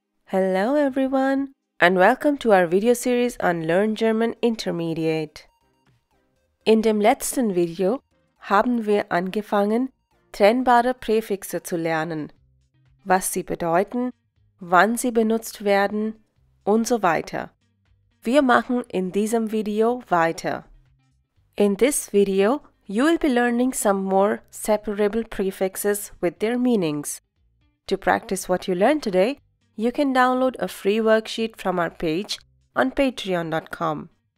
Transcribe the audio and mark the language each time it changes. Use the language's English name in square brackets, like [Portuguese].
[English] Hello everyone, and welcome to our video series on Learn German Intermediate. [German] In dem letzten Video haben wir angefangen, trennbare Präfixe zu lernen, was sie bedeuten, wann sie benutzt werden und so weiter. Wir machen in diesem Video weiter. [English] In this video, you will be learning some more separable prefixes with their meanings. To practice what you learned today, you can download a free worksheet from our page on patreon.com.